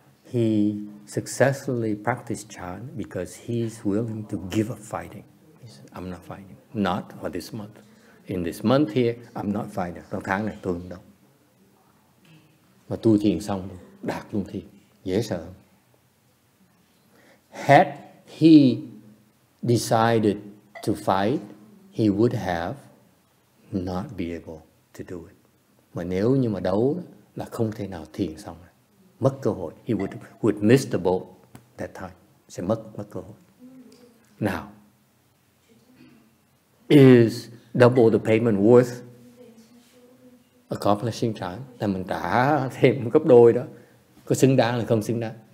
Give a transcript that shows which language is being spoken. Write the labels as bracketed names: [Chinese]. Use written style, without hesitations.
[English] He successfully practiced chan because he's willing to give up fighting. I'm not fighting. Not for this month. In this month here, I'm not fighting. [Vietnamese] Trong tháng này tôi không đâu. Mà tu thiền xong đạt luôn thiền. Dễ sợ. [English] Had he decided to fight, he would have not be able to do it. [Vietnamese] Mà nếu như mà đấu là không thể nào thiền xong rồi. Mất cơ hội. [English] He would miss the boat that time. [Vietnamese] Sẽ mất cơ hội. [English] Now, is double the payment worth accomplishing [Vietnamese] trả, là mình trả thêm gấp đôi đó, có xứng đáng hay không xứng đáng?